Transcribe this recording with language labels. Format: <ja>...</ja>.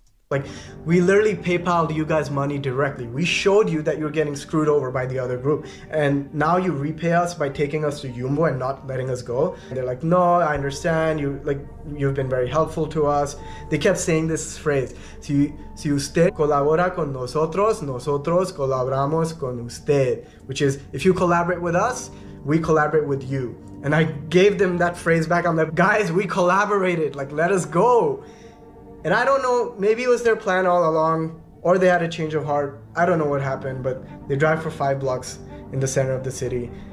<en>Like, we literally PayPal'd you guys money directly. We showed you that you're getting screwed over by the other group. And now you repay us by taking us to Yumbo and not letting us go. And they're like, no, I understand. You've been very helpful to us. They kept saying this phrase.</en> <es>Si usted colabora con nosotros, nosotros colaboramos con usted.</es> <en>Which is, if you collaborate with us, we collaborate with you. And I gave them that phrase back. I'm like, guys, we collaborated. Like, let us go. And I don't know, maybe it was their plan all along, or they had a change of heart. I don't know what happened, but they drive for 5 blocks in the center of the city.</en>